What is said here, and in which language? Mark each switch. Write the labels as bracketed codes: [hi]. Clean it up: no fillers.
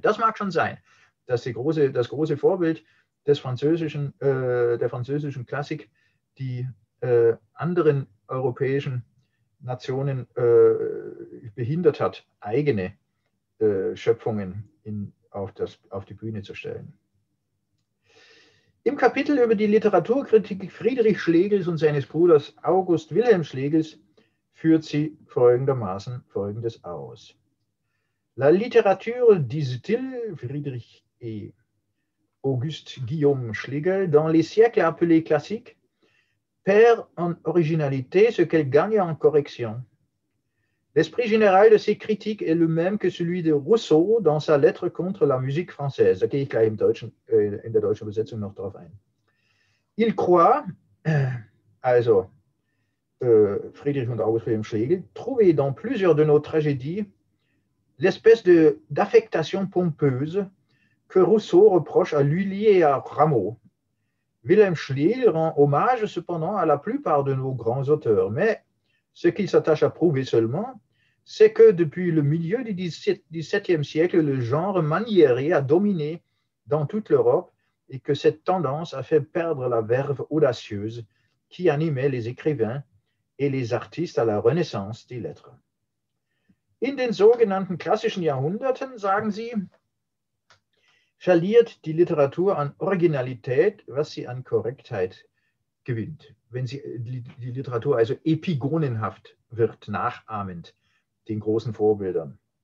[de] Das mag schon sein, dass das große Vorbild des französischen, der französischen Klassik die anderen europäischen Nationen behindert hat, eigene Schöpfungen auf die Bühne zu stellen. Im Kapitel über die Literaturkritik Friedrich Schlegels und seines Bruders August Wilhelm Schlegels führt sie folgendermaßen Folgendes aus. [fr] La littérature, disait-il, Friedrich et Auguste Guillaume Schlegel, dans les siècles appelés classiques, perd en originalité ce qu'elle gagne en correction. L'esprit général de ses critiques est le même que celui de Rousseau dans sa lettre contre la musique française. [de] Da gehe ich gleich in der deutschen Übersetzung noch drauf ein. [fr] Il croit, [de] also [fr] Friedrich und August Wilhelm Schlegel, trouvé dans plusieurs de nos tragédies l'espèce de d'affectation pompeuse que Rousseau reproche à Lully et à Rameau. Wilhelm Schlegel rend hommage cependant à la plupart de nos grands auteurs, mais ce qu'il s'attache à prouver seulement, c'est que depuis le milieu du XVIIe siècle, le genre maniéré a dominé dans toute l'Europe et que cette tendance a fait perdre la verve audacieuse qui animait les écrivains et les artistes à la Renaissance des Lettres. [de] In den sogenannten klassischen Jahrhunderten, sagen sie, verliert die Literatur an Originalität, was sie an Korrektheit gewinnt. Wenn sie die Literatur also epigonenhaft wird, nachahmend den großen Vorbildern.